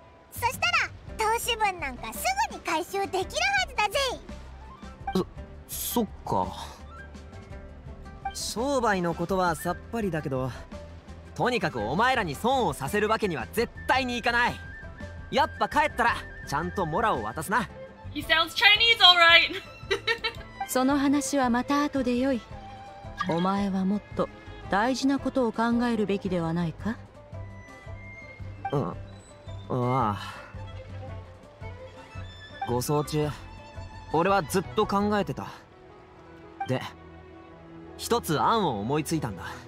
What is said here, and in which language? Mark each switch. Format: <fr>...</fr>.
<ja>そしたら、投資分なんかすぐに回収できるはずだぜ。そっか。商売のことはさっぱりだけど、とにかくお前らに損をさせるわけには絶対にいかない。やっぱ帰ったらちゃんとモラを渡すな。</ja> <en>He sounds Chinese, all right.</en> <ja>その話はまた後でよい。お前はもっと大事なことを考えるべきではないか。ああ。護送中、俺はずっと考えてた。で、一つ案を思いついたんだ。</ja>